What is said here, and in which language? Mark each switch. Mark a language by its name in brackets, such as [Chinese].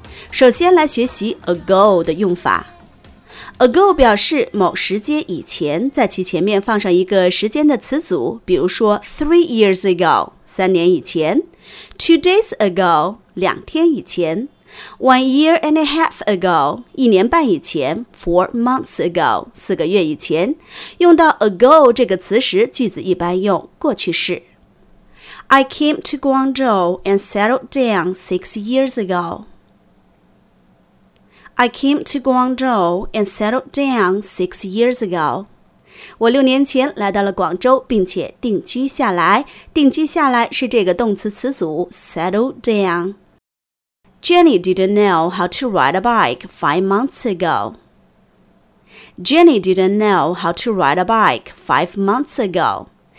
[Chinese] 首先来学习 ago 的用法。Ago 表示某时间以前，在其前面放上一个时间的词组，比如说 [English] 3 years ago [Chinese] 三年以前 [English] 2 days ago [Chinese] 两天以前 [English] 1 year and a half ago [Chinese] 一年半以前 [English] 4 months ago [Chinese] 四个月以前。用到 ago 这个词时，句子一般用过去式。 [English] I came to Guangzhou and settled down 6 years ago. I came to Guangzhou and settled down 6 years ago. [Chinese] 我六年前来到了广州并且定居下来。定居下来是这个动词词组 [English] settled down. Jenny didn't know how to ride a bike 5 months ago. Jenny didn't know how to ride a bike 5 months ago.